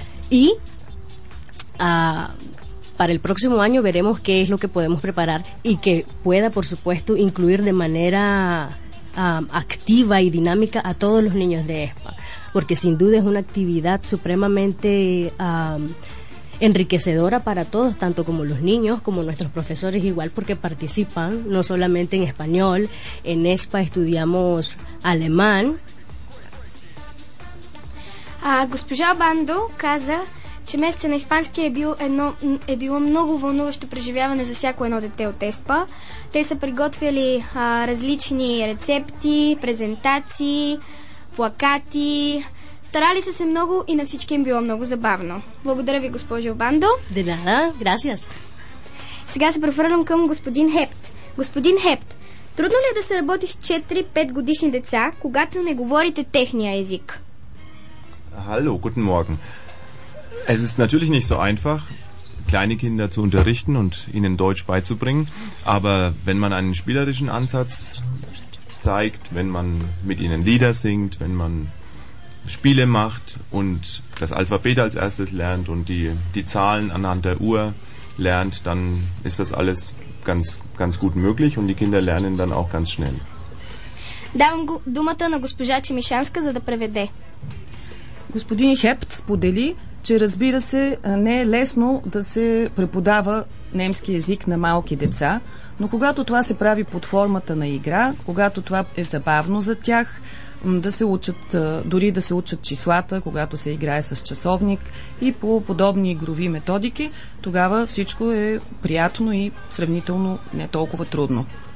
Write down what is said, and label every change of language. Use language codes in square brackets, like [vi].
[es] Y para el próximo año veremos qué es lo que podemos preparar y que pueda, por supuesto, incluir de manera activa y dinámica a todos los niños de ESPA, porque sin duda es una actividad supremamente enriquecedora para todos, tanto como los niños como nuestros profesores igual, porque participan no solamente en español. En ESPA estudiamos alemán. [bg] Госпожа Бандо каза, че месеца на испански е било много вълнуващо преживяване за всяко едно дете от ЕСПА. Те са приготвили различни рецепти, презентации, плакати. Старали са се много и на всички им било много забавно. Благодаря ви, госпожо Бандо. [es] De nada, gracias. [bg] Сега се превърнем към господин Хепт. Господин Хепт, трудно ли е да се работи с 4-5 годишни деца, когато не говорите техния език? [de] Hallo, guten Morgen. Es ist natürlich nicht so einfach, kleine Kinder zu unterrichten und ihnen Deutsch beizubringen, aber wenn man einen spielerischen Ansatz zeigt, wenn man mit ihnen Lieder singt, wenn man Spiele macht und das Alphabet als erstes lernt und die Zahlen anhand der Uhr lernt, dann ist das alles ganz, ganz gut möglich und die Kinder lernen dann auch ganz schnell. [bg] Давам думата на госпожа Чемишанска, за да преведе. Господин Хепт сподели, че разбира се, не е лесно да се преподава немски език на малки деца, но когато това се прави под формата на игра, когато това е забавно за тях, да се учат, дори да се учат числата, когато се играе с часовник и по подобни игрови методики, тогава всичко е приятно и сравнително не толкова трудно.